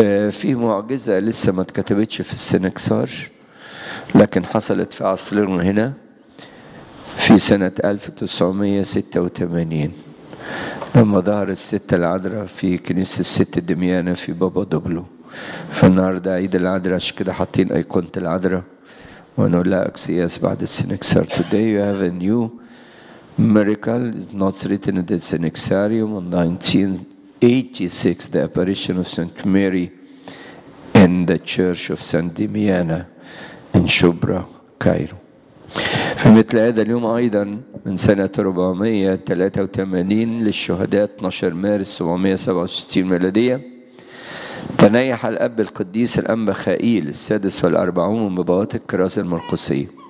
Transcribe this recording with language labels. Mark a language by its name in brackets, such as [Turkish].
[Arabic] في معجزة لسه ما تكتبتش في السنكسار لكن حصلت في عصرنا هنا في سنة 1986 لما ظهر الست العذراء في كنيسة الست دميانة في بابا دبلو. فالنهاردة عيد العذراء عشان كده حاطين أيقونة العذراء ونقول لها أكسياس بعد السنكسار. [English] Today you have a new miracle. It's not written in the Synaxarium. On 1986 the apparition of Saint Mary in the church of Saint Damiana in Shubra, Cairo. [Arabic] في مثل هذا اليوم أيضا من سنة 483 للشهداء 12 مارس 767 ميلادية تنيح الأب القديس الأنبا خائيل 46 من بابوات الكراسة المرقسية.